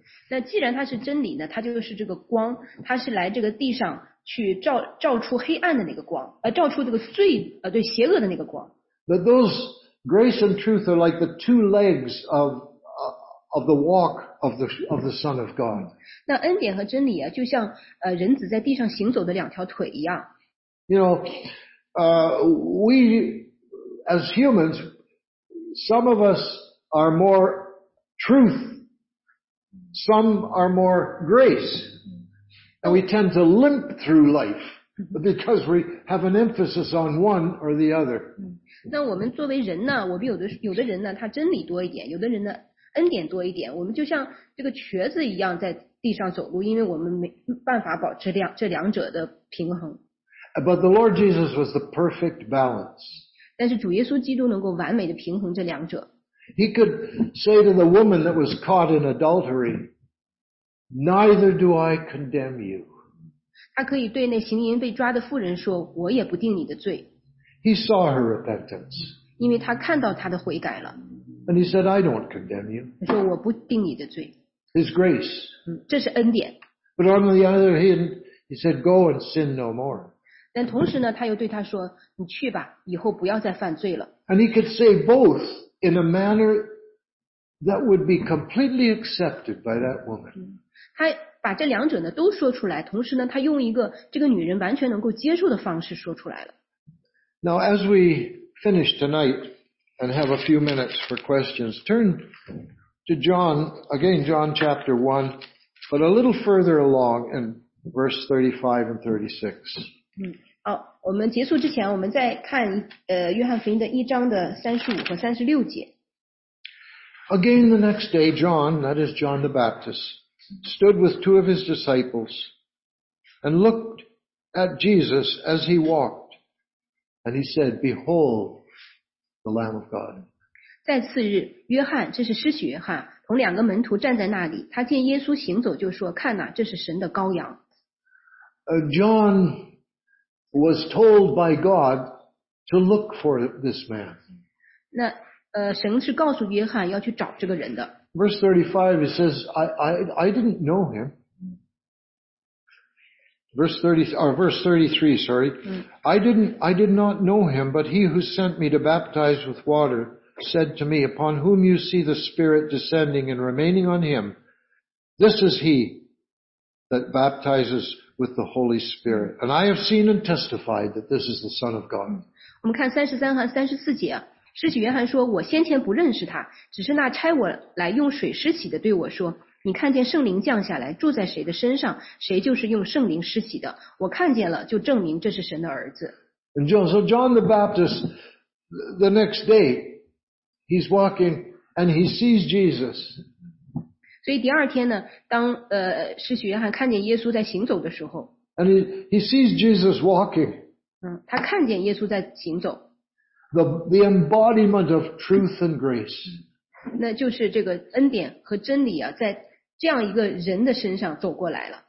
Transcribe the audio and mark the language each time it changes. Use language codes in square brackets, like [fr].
[zh] 那既然他是真理呢，他就是这个光，他是来这个地上去照出黑暗的那个光，照出这个罪，对，邪恶的那个光。 [en] But those grace and truth are like the two legs of the walk of the Son of God. [zh] 那恩典和真理啊，就像人子在地上行走的两条腿一样。 [en] You know,we, as humans, some of us are more truth, some are more grace, and we tend to limp through life because we have an emphasis on one or the other. [zh] 那我们作为人呢，我们有的人呢，他真理多一点，有的人呢，恩典多一点，我们就像这个瘸子一样在地上走路，因为我们没办法保持这两者的平衡。 [en] But the Lord Jesus was the perfect balance. [zh] 但是主耶稣基督能够完美的平衡这两者。 [en] He could say to the woman that was caught in adultery, "Neither do I condemn you." [zh] 他可以对那行淫被抓的妇人说，我也不定你的罪。 [en] He saw her repentance. [zh] 因为他看到她的悔改了。 [en] And he said, "I don't condemn you." [zh] 他说我不定你的罪。 [en] His grace. [zh] 这是恩典。 [en] But on the other hand, he said, "Go and sin no more." [zh] 但同时呢，他又对他说，你去吧，以后不要再犯罪了。 [en] And he could say both in a manner that would be completely accepted by that woman. [zh] 他把这两者呢都说出来，同时呢，他用一个这个女人完全能够接受的方式说出来了。 [en] Now as we finish tonight and have a few minutes for questions, turn to John, again John chapter 1, but a little further along in verse 35 and 36. [zh] 好，我们结束之前，我们再看约翰福音的一章的35和36节。 [en] Again, the next day, John, that is John the Baptist, stood with two of his disciples and looked at Jesus as he walked, and he said, "Behold, the Lamb of God." [zh] 再次日，约翰，这是施洗约翰，同两个门徒站在那里，他见耶稣行走，就说，看哪，这是神的羔羊。 [en] John. Was told by God to look for this man. [zh] 那神是告诉约翰要去找这个人的。 [en] Verse 35, it says, I didn't know him. Verse 33, I did not know him, but he who sent me to baptize with water said to me, upon whom you see the Spirit descending and remaining on him, this is he that baptizes. With the Holy Spirit. And I have seen and testified that this is the Son of God. [zh] 我们看33和34节、啊、施洗约翰说我先前不认识他，只是那差我来用水施洗的对我说，你看见圣灵降下来住在谁的身上，谁就是用圣灵施洗的，我看见了就证明这是神的儿子。 [en] And so John the Baptist, the next day, he's walking and he sees Jesus. [zh] 所以第二天呢，当施洗约翰看见耶稣在行走的时候 [en] ，and he sees Jesus walking， [zh] 他看见耶稣在行走 [en] ，the embodiment of truth and grace， [zh] 那就是这个恩典和真理啊，在这样一个人的身上走过来了